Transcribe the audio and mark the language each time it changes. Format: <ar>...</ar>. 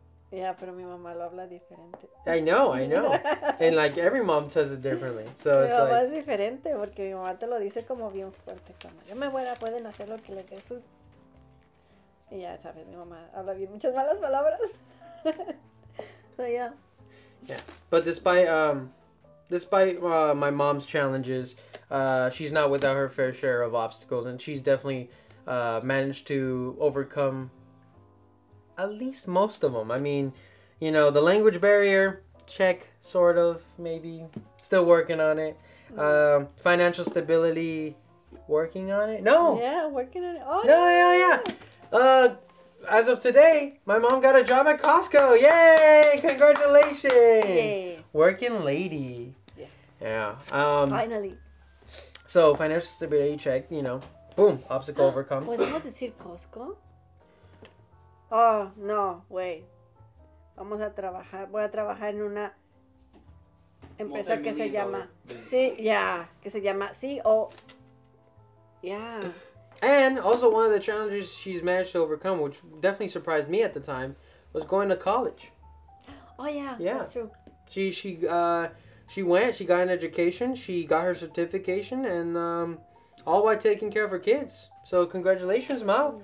<es>Yeah, pero mi mamá lo habla diferente.</es> <en>I know. And like every mom says it differently. So</en> <es>mi</es> <en>it's like...</en> <es>Mi mamá es diferente porque mi mamá te lo dice como bien fuerte. Cuando yo me muera, pueden hacer lo que les dé su... Y ya sabes, mi mamá habla bien muchas malas palabras.</es> <en>So yeah. Yeah. But despite my mom's challenges, she's not without her fair share of obstacles. And she's definitely managed to overcome... At least most of them. I mean, you know, the language barrier, check, sort of, maybe. Still working on it. Financial stability, working on it? No! Yeah, working on it. Oh, no, yeah. As of today, my mom got a job at Costco. Yay! Congratulations! Yay. Working lady. Yeah. Finally. So, financial stability check, you know. Boom, obstacle overcome. Was that to say Costco? Oh, no, wait.</en> <es>Vamos a trabajar. Voy a trabajar en una empresa que se llama... Sí, yeah. Que se llama CEO. Yeah.</es> <en>And also one of the challenges she's managed to overcome, which definitely surprised me at the time, was going to college. Oh, yeah. That's true. She went. She got an education. She got her certification. And all while taking care of her kids. So congratulations, Mao.</en>